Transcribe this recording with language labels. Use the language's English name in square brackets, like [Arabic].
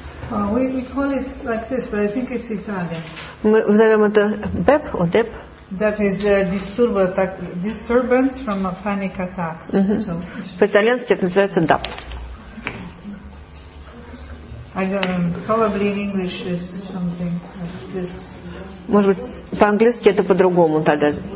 [English] We call it like this, but I think it's Italian. [Russian] Мы зовем это BEP or DEP. [English] That is disturbance from a panic attack. [Russian] По-итальянски это называется DAP. [English] Probably in English is something like this. [Russian] Может быть, по-английски это по-другому тогда.